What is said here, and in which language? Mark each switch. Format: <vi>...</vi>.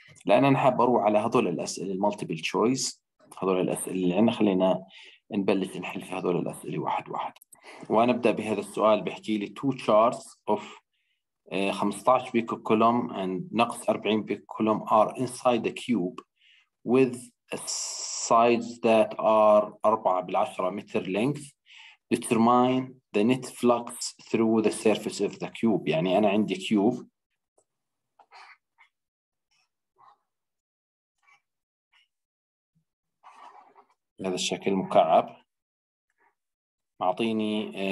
<ar>لان انا حاب اروح على هذول الاسئله المالتيبل تشويس، هذول الاسئله اللي عندنا، خلينا نبلش نحل في هذول الاسئله واحد واحد. وانا ابدا بهذا السؤال، بحكي لي تو تشارتس اوف 15 بيكو كولوم and ناقص 40 بيكو كولوم</ar> <en>are inside the cube with sides that are</en> <ar>4 بالعشرة متر length.</ar> <en>Determine the net flux through the surface of the cube.</en> <ar>يعني أنا عندي كيوب، هذا الشكل مكعب، معطيني</ar>